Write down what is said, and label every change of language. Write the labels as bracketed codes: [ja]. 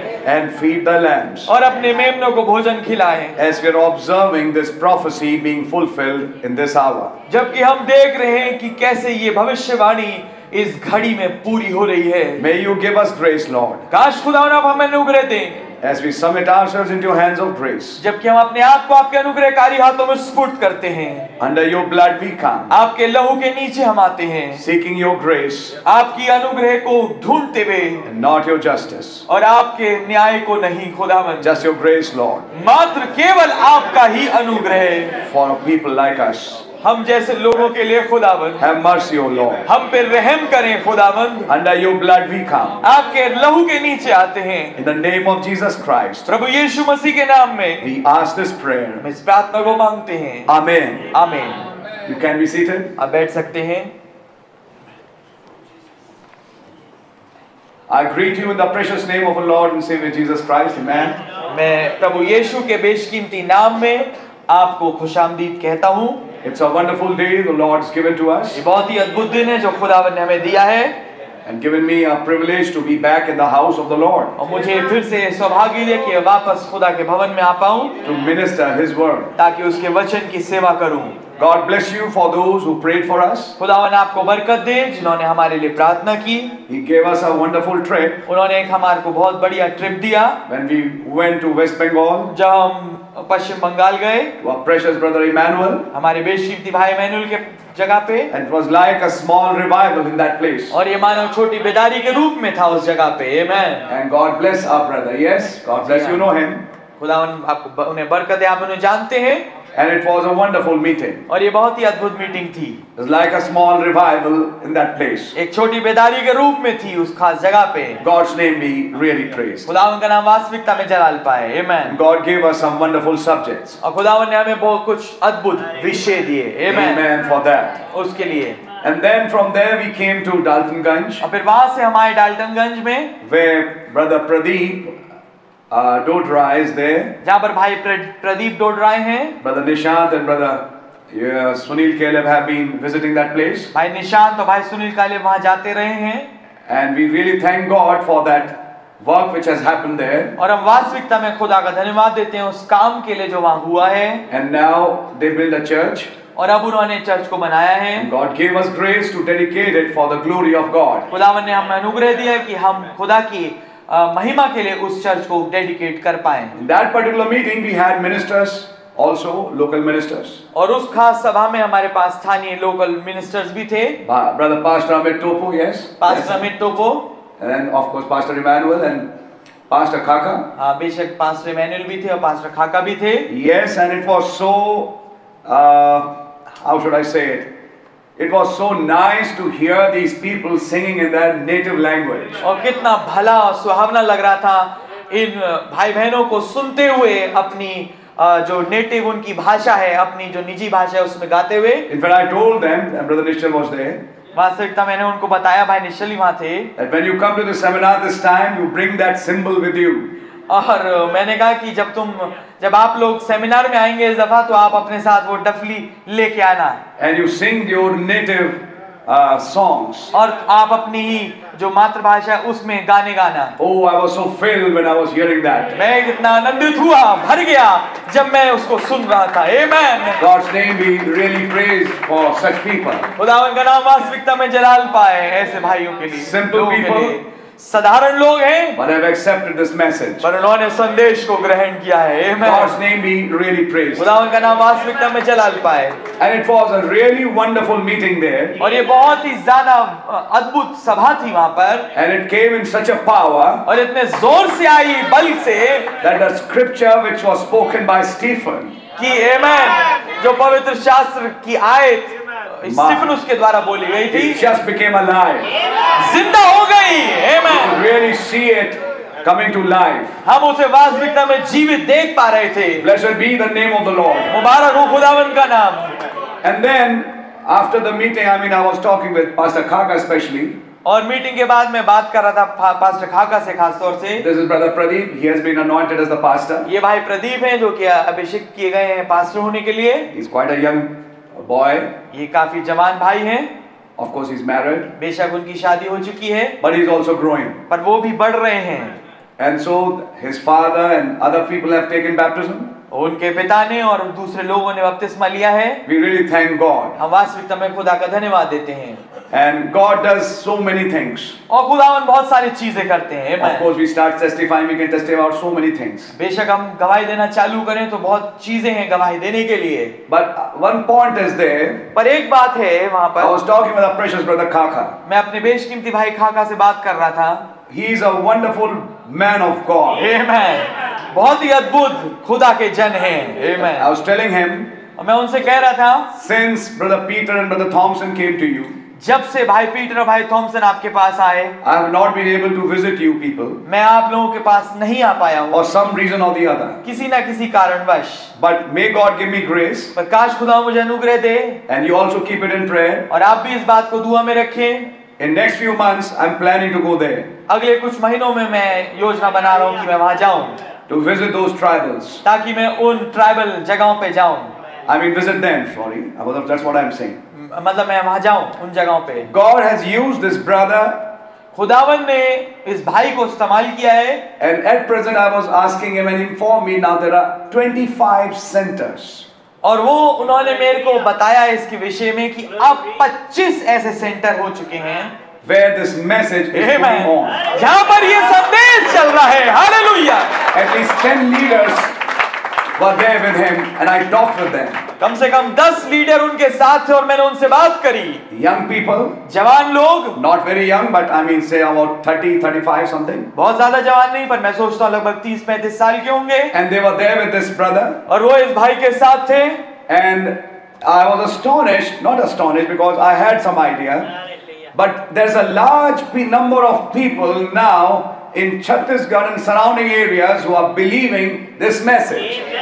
[en] and feed the lambs [hi] और अपने मेमनों को भोजन खिलाए [en] as we are observing this prophecy being fulfilled in this hour [hi] जबकि हम देख रहे हैं कि कैसे ये भविष्यवाणी इस घड़ी में पूरी हो रही है [en] may you give us grace lord [hi] काश खुदावन आप हमें अनुग्रह दें [en] As we submit ourselves into hands of grace. [hi] जबकि हम अपने आप को आपके अनुग्रहकारी हाथों में सुपुर्द करते हैं. [en] Under your blood we come. [hi] आपके लहू के नीचे हम आते हैं. [en] Seeking your grace. [hi] आपकी अनुग्रह को ढूंढते हुए. [en] Not your justice. [hi] और आपके न्याय को नहीं खुदावन. [en] Just your grace, Lord. [hi] मात्र केवल आपका ही अनुग्रह. [en] For people like us. [hi] हम जैसे लोगों के लिए खुदावन. [en] Have mercy, O Lord. [hi] हम पर रहम करें खुदावन. [en] Under your blood we come. [hi] आपके लहू के नीचे आते हैं. [en] In the name of Jesus Christ. [hi] प्रभु यीशु मसीह के नाम में. [en] We ask this prayer. [hi] हम इस प्रार्थना को मांगते हैं. [en] Amen. Amen. You can be seated. [hi] आप बैठ सकते हैं. [en] I greet you in the precious name of our Lord and Savior Jesus Christ. Amen. [hi] मैं प्रभु यीशु के बेशकीमती नाम में आपको खुशामदीद कहता हूँ. [en] It's a wonderful day the Lord has given to us. [hi] ये बहुत ही अद्भुत दिन है जो खुदावन ने हमें दिया है. [en] And given me a privilege to be back in the house of the Lord. [hi] और मुझे फिर से सौभाग्य दिया कि वापस खुदा के भवन में आ पाऊं. [en] To minister His word. [hi] ताकि उसके वचन की सेवा करूं. [en] God bless you for those who prayed for us. [hi] खुदावन आपको बरकत दे जिन्होंने हमारे लिए प्रार्थना की. [en] He gave us a wonderful trip. [hi] उन्होंने एक हमारे को बहुत बढ़िया ट्रिप दिया. [en] When we went to West Bengal. [hi] जब हम पश्चिम बंगाल गए. [en] To our precious brother Emmanuel. [hi] हमारे बेशकीमती भाई इमैनुअल के जगह पे. [en] And it was like a small revival in that place. [hi] और ये मानो छोटी बेदारी के रूप में था उस जगह पे. [en] Amen. And God bless our brother. Yes. God bless you. Know him. [hi] खुदावन आपको उन्हें बरकत दे. आप उन्हें जानते हैं. [en] And it was a wonderful meeting. [hi] और ये बहुत ही अद्भुत मीटिंग थी. [en] It was like a small revival in that place. [hi] एक छोटी बेदारी के रूप में थी उस खास जगह पे. [en] God's name be really praised. [hi] खुदावन का नाम वास्तविकता में जलाल पाए. [en] Amen. And God gave us some wonderful subjects. [hi] और खुदावन ने हमें बहुत कुछ अद्भुत विषय दिए. [en] Amen. Amen for that. [hi] उसके लिए. [en] And then from there we came to Daltonganj. [hi] और फिर वहाँ से हम आए डाल्टनगंज में. [en] Where brother Pradeep. Dodra is there. [hi] जहाँ पर भाई प्रदीप डोडरा हैं. [en] Brother Nishant and brother Sunil Caleb have been visiting that place. [hi] भाई निशांत और भाई सुनील कालेब वहाँ जाते रहे हैं. [en] And we really thank God for that work which has happened there. [hi] और हम वास्तविकता में खुदा का धन्यवाद देते हैं उस काम के लिए जो वहाँ हुआ है. [en] And now they build a church. [hi] और अब उन्होंने चर्च को बनाया है. [en] God gave us grace to dedicate it for the glory of God. [hi] खुदावन ने हमें अनुग्रह दिया कि हम खुदा की महिमा के लिए उस चर्च को डेडिकेट कर पाए. [en] That particular meeting we had ministers also, local ministers. [hi] और उस खास सभा में हमारे पास स्थानीय लोकल मिनिस्टर्स भी थे. [en] Brother Pastor Amit Topo, yes. Pastor Amit Topo. And then of course Pastor Emmanuel and Pastor Khaka. [hi] हाँ, बेशक Pastor Emmanuel भी थे और Pastor Khaka भी थे. [en] Yes, and it was so, how should I say it? It was so nice to hear these people singing in their native language. [hi] और कितना भला और सुहावना लग रहा था इन भाई बहनों को सुनते हुए अपनी जो नेटिव उनकी भाषा है अपनी जो निजी भाषा है उसमें गाते हुए. [en] In fact, I told them, and Brother Nishal was there. [hi] वास्तविकता मैंने उनको बताया भाई निश्चल ही वहाँ थे. [en] That when you come to the seminar this time, you bring that symbol with you. [hi] और मैंने कहा कि जब आप लोग सेमिनार में आएंगे इस दफा तो आप अपने साथ वो डफली लेके आना. [en] And you sing your native songs. [hi] और आप अपनी ही जो मातृभाषा है उसमें गाने गाना. [en] Oh, I was so filled when I was hearing that. [hi] मैं इतना आनंदित हुआ, भर गया जब मैं उसको सुन रहा था. [en] Amen. God's name be really praised for such people. [hi] खुदावन का नाम वास्तविकता में जलाल पाए ऐसे भाइयों के लिए. [en] Simple people. [hi] साधारण लोग हैं. [en] But I've accepted this message. [hi] पर उन्होंने संदेश को ग्रहण किया है. [en] Amen. God's name be really praised. [hi] खुदावन का नाम वास्तविकता में जलाल पाए. [en] And it was a really wonderful meeting there. [hi] और ये बहुत ही ज़्यादा अद्भुत सभा थी वहाँ पर. [en] And it came in such a power. [hi] और इतने जोर से आई, बल से. [en] That the scripture which was spoken by Stephen. [hi] कि amen. जो पवित्र शास्त्र की आयत स्टीफन उसके द्वारा बोली गई थी. [en] It just became alive. [hi] जिंदा हो गई. Amen. [en] We really see it coming to life. [hi] हम उसे वास्तविकता में जीवित देख पा रहे थे. [en] Blessed be the name of the Lord. [hi] मुबारक हो खुदावन का नाम. [en] And then after the meeting, I mean, I was talking with Pastor Khaka especially. [hi] और मीटिंग के बाद मैं बात कर रहा था पास्टर खाका से खास तौर से. [en] This is brother Pradeep. He has been anointed as the pastor. [hi] ये भाई प्रदीप हैं जो कि अभिषेक किए गए हैं पास्टर होने के लिए. [en] He's quite a young boy. [hi] ये काफी जवान भाई हैं. [en] Of course he's married. [hi] बेशक उनकी शादी हो चुकी है. [en] But he's also growing. [hi] पर वो भी बढ़ रहे हैं. [en] And so his father and other people have taken baptism. [hi] उनके पिता ने और दूसरे लोगों ने बपतिस्मा लिया है. [en] We really thank God. [hi] हम वास्तविकता में खुदा का धन्यवाद देते हैं. [en] And God does so many things. [hi] और खुदावन बहुत सारी चीजें करते हैं. [en] Of course, we start testifying, we can testify about so many things. [hi] बेशक हम गवाही देना चालू करें तो बहुत चीजें हैं गवाही देने के लिए. [en] But one point is there. [hi] पर एक बात है वहाँ पर. [en] I was talking with our precious brother Khaka. [hi] मैं अपने बेशकीमती भाई खाका से बात कर रहा था. [en] He is a wonderful man of God. Amen. [hi] बहुत ही अद्भुत खुदा के जन हैं. [en] Amen. I was telling him. [hi] मैं उनसे कह रहा था. [en] Since brother Peter and brother Thompson came to you. [hi] जब से भाई पीटर और भाई थॉमसन आपके पास आए, [en] I have not been able to visit you people. [hi] मैं आप लोगों के पास नहीं आ पाया हूँ. [en] For some reason or the other. [hi] किसी ना किसी कारणवश. [en] But may God give me grace. [hi] पर काश खुदा मुझे अनुग्रह दे. [en] And you also keep it in prayer. [hi] और आप भी इस बात को दुआ में रखें. [en] In next few months, I'm planning to go there. [hi] अगले कुछ महीनों में मैं योजना बना रहा हूँ कि मैं वहाँ जाऊँ. [en] To visit those tribals. [hi] ताकि मैं उन ट्राइबल जगहों पे जाऊँ. [en] I mean visit them. Sorry, that's what I'm saying. [hi] मतलब मैं वहां जाऊं उन जगहों पे. [en] God has used this brother. [hi] खुदावन ने इस भाई को इस्तेमाल किया है. [en] And at present I was asking him and informed me now there are 25 centers. [hi] और वो उन्होंने मेरे को बताया इसके विषय में कि अब 25 ऐसे सेंटर हो चुके हैं. [en] Where this message is going on. [hi] जहां पर ये संदेश चल रहा है. Hallelujah. [en] At least 10 leaders were there with him and I talked with them. [hi] कम से कम 10 लीडर उनके साथ थे और मैंने उनसे बात करी. [en] Young people, [hi] जवान लोग, [en] not very young, but I mean say about 30, 35 something. [hi] बहुत ज़्यादा जवान नहीं, पर मैं सोचता हूँ लगभग 30-35 साल के होंगे. [en] And they were there with this brother. [hi] और वो इस भाई के साथ थे. [en] And I was astonished, not astonished because I had some idea, but there's a large number of people now in Chhattisgarh and surrounding areas who are believing this message.